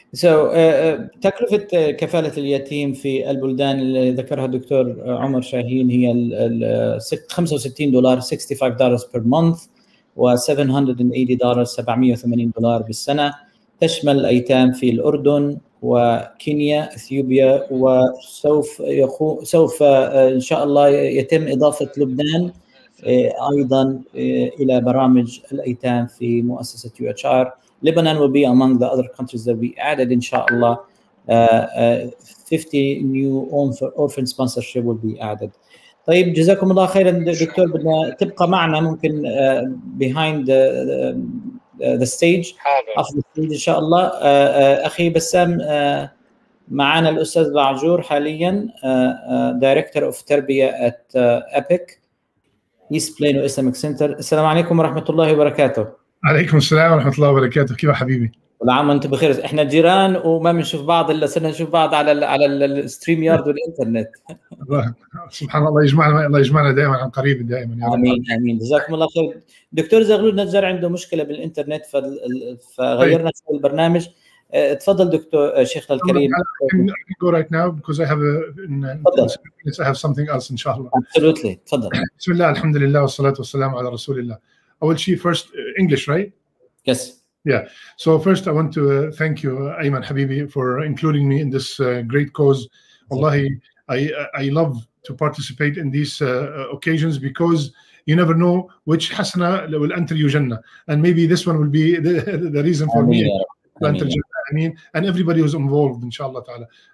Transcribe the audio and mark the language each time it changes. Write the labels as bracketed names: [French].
[Arabic] So, تكلفة كفالة اليتيم في البلدان اللي ذكرها دكتور عمر شاهين هي $65 $65 [English] per month [Arabic] و $780 $780 بالسنة, تشمل الأيتام في الأردن وكينيا إثيوبيا, وسوف سوف إن شاء الله يتم إضافة لبنان أيضا إلى برامج الأيتام في مؤسسة UHR. [English] Lebanon will be among the other countries that we added, inshallah. 50 new orphan sponsorship will be added. [Arabic] طيب جزاكم الله خيرا دكتور, بدنا تبقى معنا ممكن [English] behind the stage [Arabic] حاضر إن شاء الله. أخي بسام معنا الأستاذ بعجور حاليا Director of تربية at EPIC East Plain Islamic Center. السلام عليكم ورحمة الله وبركاته. عليكم السلام ورحمة الله وبركاته, كيف حبيبي؟ والعام أنت بخير, إحنا جيران وما منشوف بعض إلا سنة نشوف بعض على الستريم يارد والإنترنت. سبحان الله, يجمعنا دائماً عن قريب دائماً. آمين آمين, جزاكم الله خير. دكتور زغلول نجار عنده مشكلة بالإنترنت فغيرنا في البرنامج. تفضل دكتور شيخنا الكريم. [English] I'm going to go right now because I have a, I have something else [Arabic] إن شاء الله. [English] Absolutely, [Arabic] تفضل. بسم الله الحمد لله والصلاة والسلام على رسول الله. أول شيء [English] first English, right? Yes. Yeah. So first I want to thank you, Ayman حبيبي, for including me in this great cause. Wallahi, I love to participate in these occasions because you never know which hasana will enter your Jannah. And maybe this one will be the reason for me to enter Jannah. I mean, and everybody who's involved, inshallah ta'ala.